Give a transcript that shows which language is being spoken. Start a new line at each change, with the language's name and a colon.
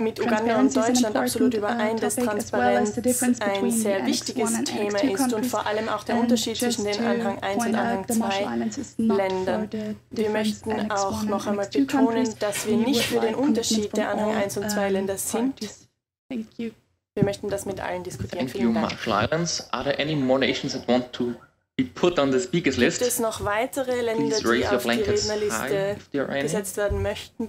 German: mit Uganda und Deutschland absolut überein, dass Transparenz
English: as well as
German: ein sehr wichtiges Thema ist und vor allem auch der Unterschied zwischen den Anhang 1 und Anhang 2 Ländern. Wir möchten auch noch einmal betonen, dass wir nicht für den Unterschied der Anhang 1 und 2 Länder sind.
English: Thank you.
German: Wir möchten das mit allen diskutieren.
English: Thank you, Marshall Islands. Are there any more nations that want to be put on the speakers list?
German: Gibt es noch weitere Länder, die auf die Rednerliste gesetzt werden möchten?